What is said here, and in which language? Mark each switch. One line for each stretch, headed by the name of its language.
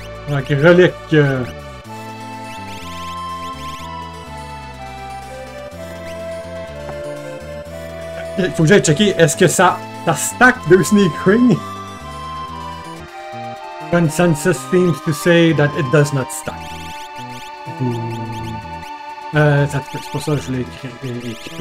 French: Ok, relique. Il faut que j'aille checker, est-ce que ça stack de Sneak Ring?
English: Consensus seems to say that it does not stack.
French: C'est pour ça que je voulais équiper.